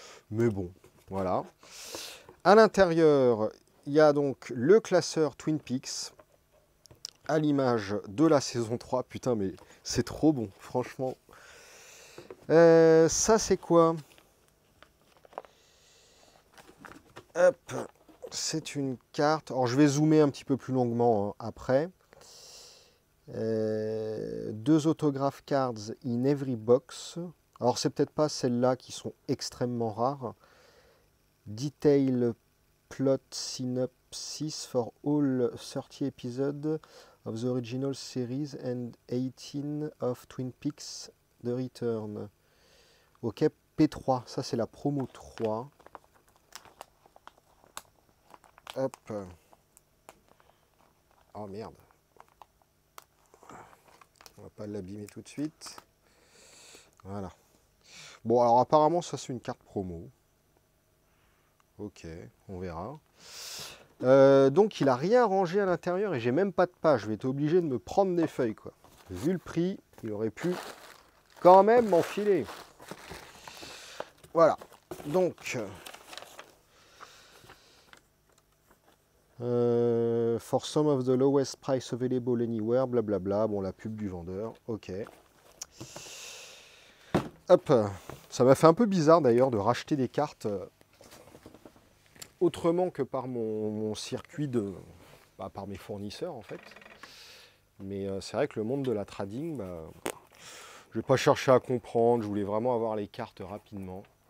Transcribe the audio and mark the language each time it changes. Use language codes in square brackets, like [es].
[fr] Mais bon, voilà. À l'intérieur, il y a donc le classeur Twin Peaks à l'image de la saison 3. Putain, mais c'est trop bon, franchement. Ça, c'est quoi? Hop, c'est une carte. Alors, je vais zoomer un petit peu plus longuement hein, après. [en] Deux autograph cards in every box. [fr] Alors, c'est peut-être pas celles-là qui sont extrêmement rares. [en] Detail plot synopsis for all 30 episodes of the original series and 18 of Twin Peaks [fr] de return. Ok, P3, ça c'est la promo 3. Hop. Oh merde. On va pas l'abîmer tout de suite. Voilà. Bon, alors apparemment, ça c'est une carte promo. Ok, on verra. Donc il a rien rangé à l'intérieur et j'ai même pas de page. Je vais être obligé de me prendre des feuilles, quoi. Vu le prix, il aurait pu quand même m'enfiler. Voilà. [en] Donc, for some of the lowest price available anywhere, blablabla. [fr] Bon, la pub du vendeur. Ok. Hop. Ça m'a fait un peu bizarre d'ailleurs de racheter des cartes autrement que par mon circuit de, bah, par mes fournisseurs en fait. Mais c'est vrai que le monde de la trading, bah, je n'ai pas cherché à comprendre. Je voulais vraiment avoir les cartes rapidement.